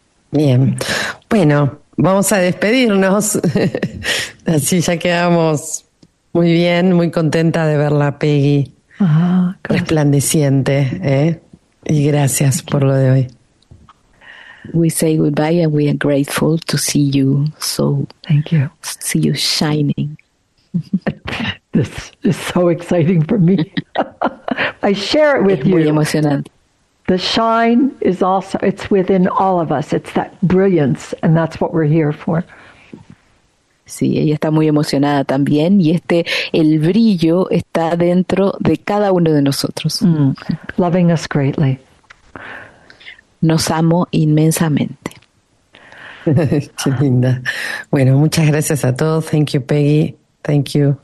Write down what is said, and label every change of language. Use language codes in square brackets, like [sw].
[es] Bien, bueno, vamos a despedirnos, así ya quedamos. Muy bien, muy contenta de verla, Peggy, resplandeciente, y gracias por lo de hoy. [en] We say goodbye and we are grateful to see you, so thank you. See you shining. This is so exciting for me. I share it with you. [es] Es muy emocionante. [en] The shine is also, it's within all of us, it's that brilliance, and that's what we're here for. [es] Sí, ella está muy emocionada también y el brillo está dentro de cada uno de nosotros. [en] Mm. Loving us greatly. [es] Nos amo inmensamente. Qué linda. Bueno, muchas gracias a todos. [en] Thank you, Peggy. Thank you.